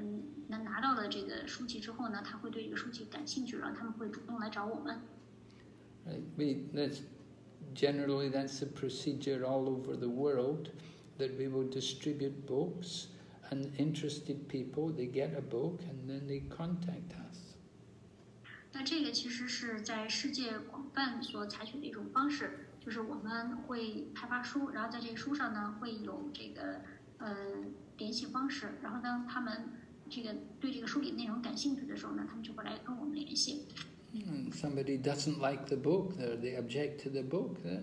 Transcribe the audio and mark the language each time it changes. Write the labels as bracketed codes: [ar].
[zh] 那所以呢，我们要小心。那我们最主要的活动呢，就是要派发一些文献、派发书籍。那我们希望在这个派发书籍的这个过程中呢，就是有一些人能拿到了这个书籍之后呢，他会对这个书籍感兴趣，然后他们会主动来找我们。 [en] Right, we, that's, generally that's the procedure all over the world, that we will distribute books, and interested people, they get a book and then they contact us. [zh] 那这个其实是在世界广泛所采取的一种方式，就是我们会派发书，然后在这个书上呢会有这个联系方式，然后呢他们这个对这个书里的内容感兴趣的时候呢，他们就会来跟我们联系。 [en] Somebody doesn't like the book, or they object to the book.